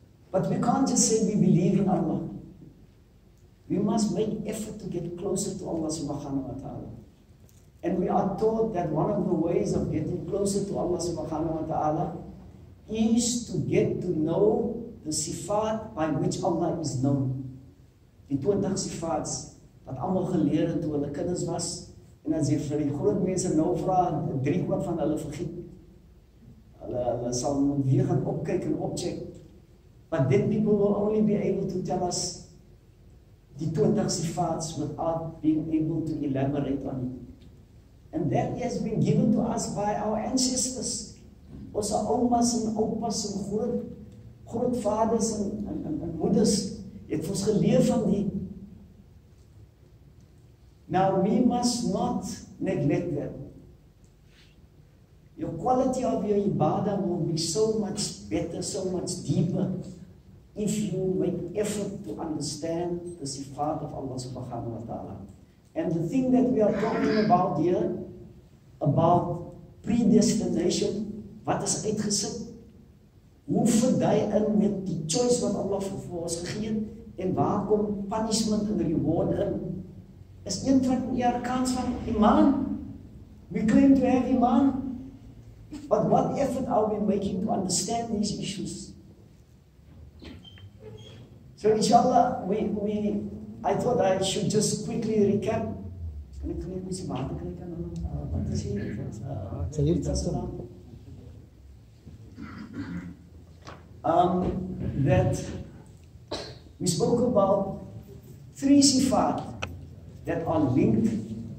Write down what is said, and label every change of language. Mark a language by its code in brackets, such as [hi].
[en] But we can't just say we believe in Allah. We must make effort to get closer to Allah subhanahu wa ta'ala. And we are taught that one of the ways of getting closer to Allah subhanahu wa ta'ala is to get to know the sifat by which Allah is known. [af] Die 20 sifat wat almal geleer het toe hulle kinders was. En as jy vir die groot mense nou vra, drie kwart van hulle vergeet. Hulle sal weer gaan opkyk en opcheck. [en] But then people will only be able to tell us [af] die 20 sifats [en] without being able to elaborate on it. And that has been given to us by our ancestors. [af] Ons oumas en oupas en grootvaders en moeders het ons geleer van die. [en] Now we must not neglect that. Your quality of your ibadah will be so much better, so much deeper, if you make effort to understand the sifat of Allah subhanahu wa ta'ala. And the thing that we are talking about here, about predestination, [af] wat is uitgesit? Hoe verdui in met die choice wat Allah voor ons gegee het? En waar kom punishment en reward in? Is een van die arkaans van iman. [en] We claim to have iman, but what effort are we making to understand these issues? So inshallah, I thought I should just quickly recap. That we spoke about three sifat that are linked.